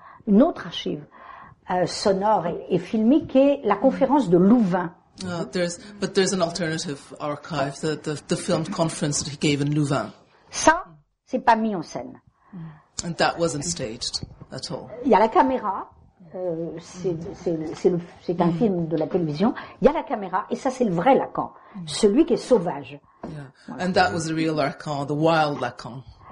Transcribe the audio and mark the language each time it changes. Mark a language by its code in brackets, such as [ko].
[fr] Une autre archive sonore et filmique qui est la conférence de Louvain. [en] There's an alternative archive, the filmed conference that he gave in Louvain. [fr] Ça, c'est pas mis en scène. [en] And that wasn't staged at all. [fr] Il y a la caméra, c'est un film de la télévision. Il y a la caméra et ça c'est le vrai Lacan, celui qui est sauvage. [en] Yeah. And that was the real Lacan, the wild Lacan.